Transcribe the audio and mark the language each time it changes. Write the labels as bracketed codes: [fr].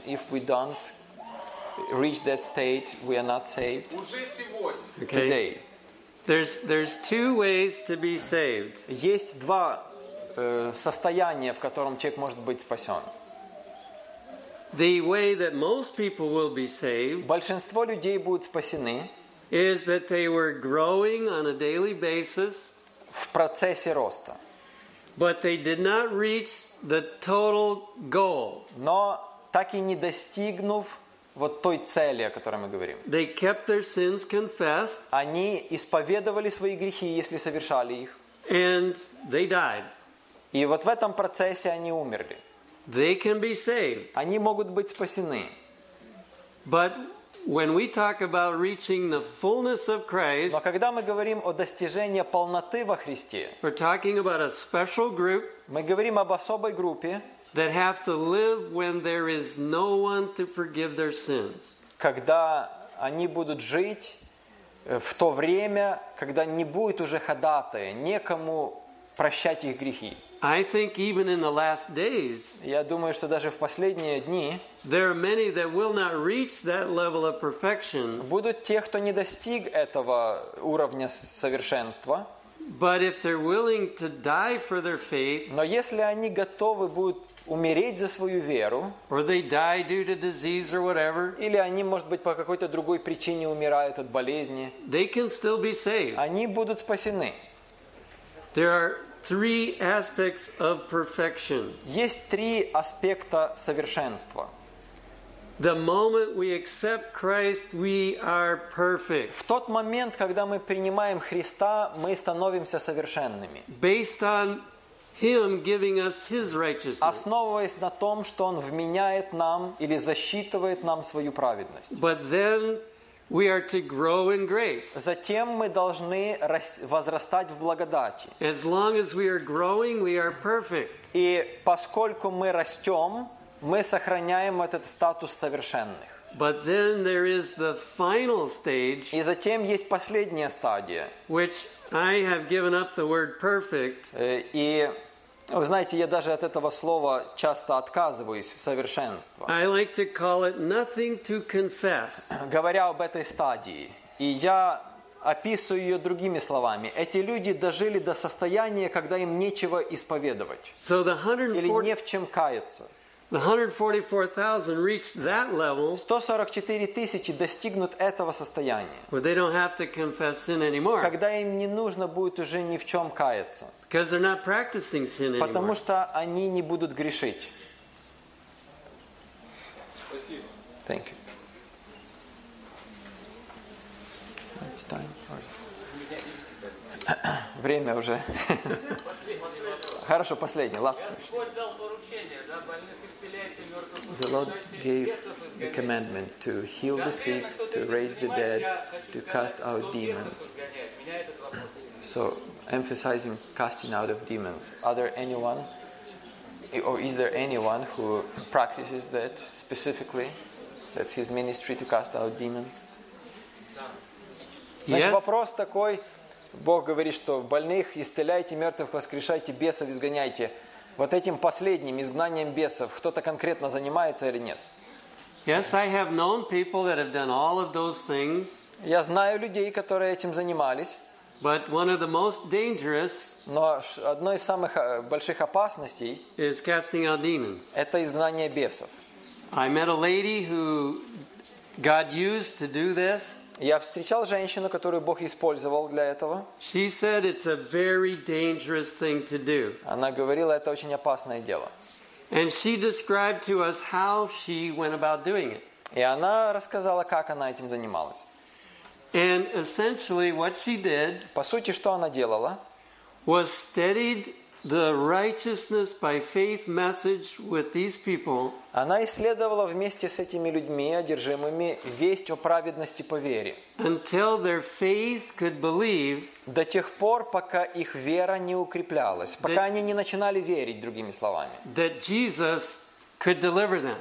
[en] If we don't reach that state, we are not saved. Okay. Today. There's two ways to be saved. [ru] Есть два состояния, в котором человек может быть спасен. [en] The way that most people will be saved. [ru] Большинство людей будут спасены. [en] Is that they were growing on a daily basis. [ru] В процессе роста. [en] But they did not reach the total goal. [ru] Но так и не достигнув вот той цели, о которой мы говорим. [en] They kept their sins confessed. [ru] Они исповедовали свои грехи, если совершали их. [en] And they died. [ru] И вот в этом процессе они умерли. [en] They can be saved. [ru] Они могут быть спасены. [en] But when we talk about reaching the fullness of Christ, [ru] но когда мы говорим о достижении полноты во Христе, [en] we're talking about a special group, [ru] мы говорим об особой группе, [en] that have to live when there is no one to forgive their sins. [ru] Когда они будут жить в то время, когда не будет уже ходатая, некому прощать их грехи. [en] I think even in the last days, [ru] я думаю, что даже в последние дни, [en] there are many that will not reach that level of perfection. [ru] Будут те, кто не достиг этого уровня совершенства. [en] But if they're willing to die for their faith, [ru] но если они готовы будут умереть за свою веру, [en] or they die due to disease or whatever, [ru] или они, может быть, по какой-то другой причине умирают от болезни, [en] they can still be saved. [ru] Они будут спасены. [en] There are three aspects of perfection. [ru] Есть три аспекта совершенства. [en] The moment we accept Christ, we are perfect. [ru] В тот момент, когда мы принимаем Христа, мы становимся совершенными. [en] Based on Him giving us His righteousness. [ru] Основываясь на том, что Он вменяет нам или засчитывает нам свою праведность. [en] But then we are to grow in grace. [ru] Затем мы должны возрастать в благодати. [en] As long as we are growing, we are perfect. [ru] И поскольку мы растем, мы сохраняем этот статус совершенных. [en] But then there is the final stage. [ru] И затем есть последняя стадия. [en] Which I have given up the word perfect. [ru] И вы знаете, я даже от этого слова часто отказываюсь, совершенство. [en] I like to call it nothing to confess. [ru] Говоря об этой стадии, и я описываю ее другими словами. Эти люди дожили до состояния, когда им нечего исповедовать. [en] So the 140... [ru] Или не в чем каяться. [en] The 144,000 reached that level. [ru] 144 тысячи достигнут этого состояния. [en] Where they don't have to confess sin anymore. [ru] Когда им не нужно будет уже ни в чем каяться. [en] Because they're not practicing sin anymore. [ru] Потому что они не будут грешить. Спасибо. [en] Thank you. It's time. [ru] Время уже. Хорошо, последний. Ласковый. Господь дал поручение, да, больных исцеляйте, мертвых. [en] The Lord gave the commandment to heal the sick, to raise the dead, to cast out demons. So, emphasizing casting out of demons. Are there anyone, or is there anyone who practices that specifically? That's his ministry, to cast out demons? Yes. [ru] Вопрос такой. Бог говорит, что больных исцеляйте, мертвых воскрешайте, бесов изгоняйте. Вот этим последним, изгнанием бесов, кто-то конкретно занимается или нет? [en] Yes, I have known people that have done all of those things. [ru] Я знаю людей, которые этим занимались. [en] But one of the most dangerous. [ru] Но одной из самых больших опасностей. [en] Is casting out demons. [ru] Это изгнание бесов. [en] I met a lady who God used to do this. [ru] Я встречал женщину, которую Бог использовал для этого. [en] She said it's a very dangerous thing to do. [ru] Она говорила, это очень опасное дело. [en] And she described to us how she went about doing it. [ru] И она рассказала, как она этим занималась. [en] And essentially what she did, [ru] по сути, что она делала, [en] was studied the righteousness by faith message with these people. [ru] Она исследовала вместе с этими людьми, одержимыми, весть о праведности по вере. [en] Until their faith could believe. [ru] До тех пор, пока их вера не укреплялась, пока они не начинали верить, другими словами. [en] That Jesus could deliver them.